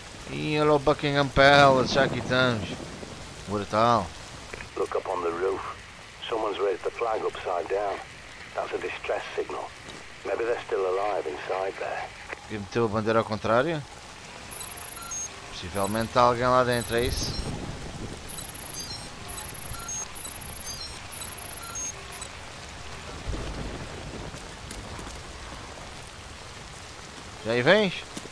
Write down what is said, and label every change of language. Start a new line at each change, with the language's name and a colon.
Portuguese: E olha o Buckingham Palace, já aqui estamos. Brutal.
English: Look up on the roof. Someone's raised the flag upside down. That's a distress signal. Maybe they're still alive inside there.
Portuguese: E meteu a bandeira ao contrário? Possivelmente há alguém lá dentro, é isso? Já aí vens?